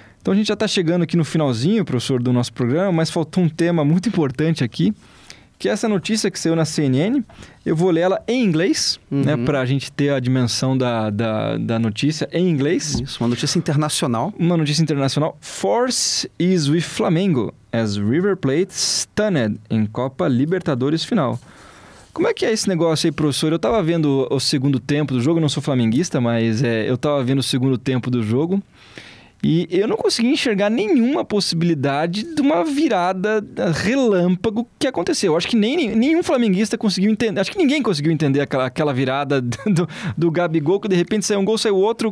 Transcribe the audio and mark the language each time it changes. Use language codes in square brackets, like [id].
[pt] Então, a gente já está chegando aqui no finalzinho, professor, do nosso programa, mas faltou um tema muito importante aqui, que é essa notícia que saiu na CNN. Eu vou ler ela em inglês, uhum, né, para a gente ter a dimensão da notícia em inglês. Isso, uma notícia internacional. Uma notícia internacional. [en] Force is with Flamengo as River Plate stunned em Copa Libertadores final. [pt] Como é que é esse negócio aí, professor? Eu estava vendo o segundo tempo do jogo, eu não sou flamenguista, mas eu estava vendo o segundo tempo do jogo e eu não consegui enxergar nenhuma possibilidade de uma virada relâmpago que aconteceu. Acho que nenhum flamenguista conseguiu entender. Acho que ninguém conseguiu entender aquela virada do Gabigol, que de repente saiu um gol, saiu outro.